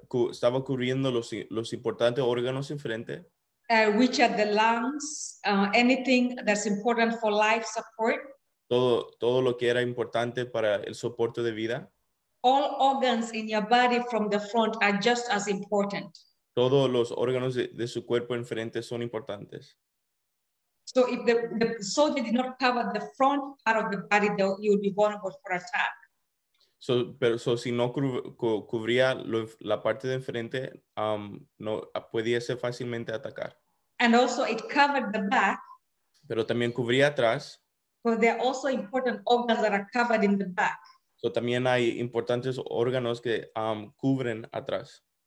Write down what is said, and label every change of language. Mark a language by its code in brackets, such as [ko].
[es] Estaba cubriendo los importantes órganos enfrente. [en] Which are the lungs, anything that's important for life support. [es] Todo lo que era importante para el soporte de vida. [en] All organs in your body from the front are just as important. [es] Todos los órganos de su cuerpo enfrente son importantes. [en] So if the soldier did not cover the front part of the body, you would be vulnerable for attack. [es] Si no cubría la parte de enfrente, no podía ser fácilmente atacar. [en] And also it covered the back. [es] Pero también cubría atrás. [en] But there are also important organs that are covered in the back. [es] So también hay importantes órganos que cubren atrás.